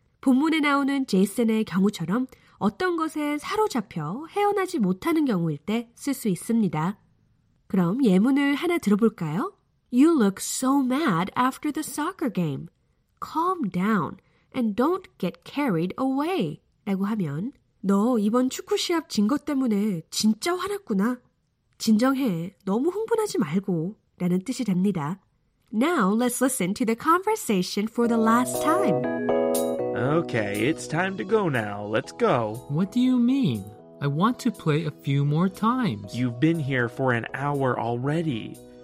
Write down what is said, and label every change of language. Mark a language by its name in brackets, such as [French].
[Korean] 본문에 나오는 제이슨의 경우처럼 어떤 것에 사로잡혀 헤어나지 못하는 경우일 때 쓸 수 있습니다. 그럼 예문을 하나 들어볼까요? [English] You look so mad after the soccer game. Calm down and don't get carried away. [Korean] 라고 하면 너 이번 축구 시합 진 것 때문에 진짜 화났구나. 진정해. 너무 흥분하지 말고. 라는 뜻이 됩니다. [English] Now let's listen to the conversation for the last time. Okay, it's time to go now. Let's go. What do you mean? I want to play a few more times. You've been here for an hour already.